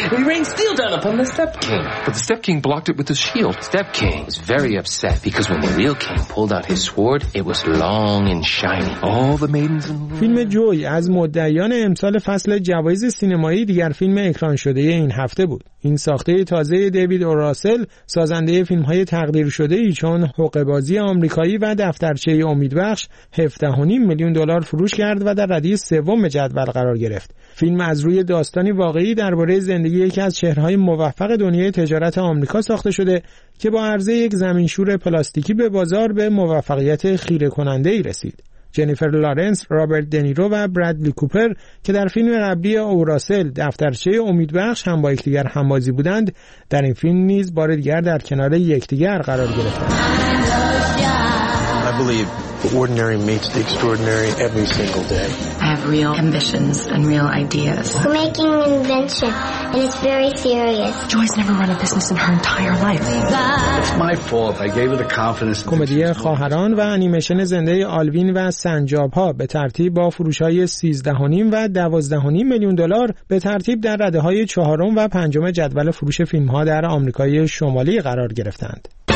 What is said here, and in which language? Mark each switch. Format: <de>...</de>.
<en>We rained steel down upon the Step King, but the Step King blocked it with his shield. Step King was very upset because when the real king pulled out his sword, it was long and shiny. All the maidens in the</en> <fa>فیلم جوی از مدعیان امسال فصل جوایز سینمایی دیگر فیلم اکران شده این هفته بود. این ساخته تازه دیوید اوراسل، سازنده فیلم‌های تقدیر شده ای چون حقوق‌بازی آمریکایی و دفترچه امیدبخش، 17.5 میلیون دلار فروش کرد و در ردیه سوم جدول قرار گرفت. فیلم از روی داستانی واقعی درباره زندگی یکی از چهره‌های موفق دنیای تجارت آمریکا ساخته شده که با عرضه یک زمین‌شور پلاستیکی به بازار به موفقیت خیره‌کننده‌ای رسید. جنیفر لارنس، رابرت دنیرو و برادلی کوپر که در فیلم قبلی اوراسل دفترچه امیدبخش هم با یکدیگر همبازی بودند، در این فیلم نیز بار دیگر در کنار یکدیگر قرار گرفتند.</fa> <en>Ordinary meets the extraordinary every single day. I have real ambitions and real ideas. We're making an invention, and it's very serious. Joy's never run a business in her entire life. It's my fault. I gave her the confidence.</en> <fa>کمدی خواهران و انیمیشن زنده آلوین و سنجاب‌ها به ترتیب با فروش‌های 13.5 و 12.5 میلیون دلار به ترتیب در رده‌های 4 و 5 جدول فروش فیلم‌ها در آمریکای شمالی قرار گرفتند.</fa>